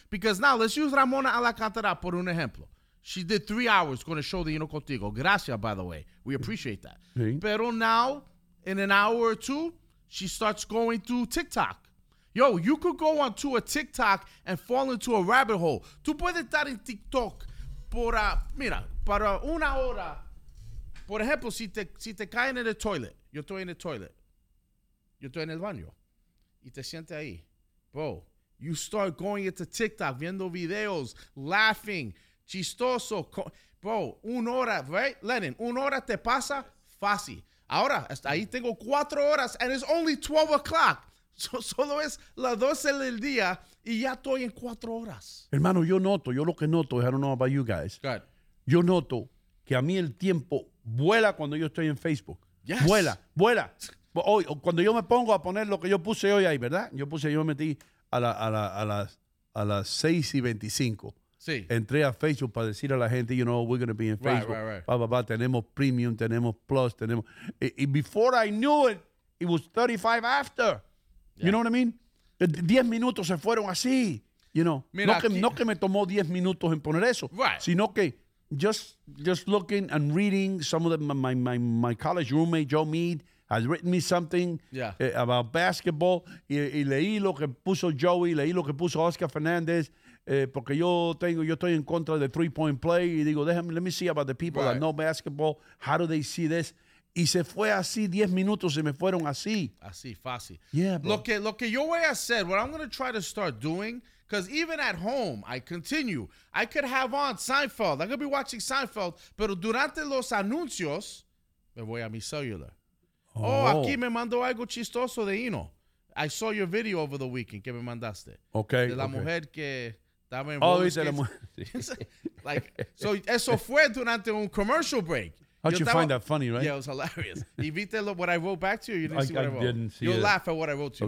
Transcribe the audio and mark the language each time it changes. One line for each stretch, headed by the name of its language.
English: Because now, let's use Ramona Alacántara
Spanish: por un ejemplo.
English: She did 3 hours going to show the Hino Contigo.
Spanish: Gracias,
English: by the way. We appreciate that.
Spanish: Sí. Pero
English: now, in an hour or two, she starts going to TikTok. Yo, you could go onto a TikTok and fall into a rabbit hole.
Spanish: Tú puedes estar en TikTok por, mira, para una hora. Por ejemplo, si te caen en el toilet. Yo estoy en el toilet. Yo estoy en el baño. Y te sientes ahí.
English: Bro, you start going into TikTok,
Spanish: viendo videos,
English: laughing,
Spanish: chistoso. Bro, 1 hora, right? Lennon, 1 hora te pasa fácil. Ahora, ahí tengo 4 horas
English: and it's only 12 o'clock.
Spanish: Solo es las 12 del día y ya estoy en 4 horas. Hermano, yo lo que noto,
English: I don't know about you guys. Good.
Spanish: Yo noto que a mí el tiempo vuela cuando yo estoy en Facebook.
English: Yes.
Spanish: Vuela, vuela. Hoy, cuando yo me pongo a poner lo que yo puse hoy ahí, ¿verdad? Yo me metí a las 6:25. Sí. Entré a Facebook para decir a la gente,
English: you know, we're going to be in Facebook. Right, right, right.
Spanish: Bah, bah, bah, tenemos premium, tenemos plus, tenemos...
English: And before I knew it, it was 35 after. Yeah. You know what I mean?
Spanish: 10 minutos se fueron así,
English: you know.
Spanish: Mira, no que me tomó 10 minutos en poner eso.
English: Right.
Spanish: Sino que
English: just looking and reading some of my college roommate, Joe Mead, has written me something about basketball.
Spanish: Y leí lo que puso Joey, leí lo que puso Oscar Fernandez. Porque yo estoy en contra de 3-point play y digo,
English: let me see about the people that know basketball, how do they see this?
Spanish: Y se fue así, 10 minutos se me fueron así. Así, fácil.
English: Yeah, bro. Lo que yo voy a hacer, what I'm going to try to start doing, because even at home, I continue, I could have on Seinfeld, I could be watching Seinfeld,
Spanish: pero durante los anuncios, me voy a mi celular. Oh, aquí me mandó algo chistoso de Hino.
English: I saw your video over the weekend
Spanish: que me mandaste.
English: Okay.
Spanish: De la mujer que estaba en... Oh, dice la mujer.
English: Like, so
Spanish: eso fue durante un commercial break.
English: How'd you find that funny, right? Yeah, it was hilarious.
Spanish: ¿Y viste
English: what I wrote back to you? You didn't see what I wrote. I didn't see it. You'll laugh at what I wrote to you.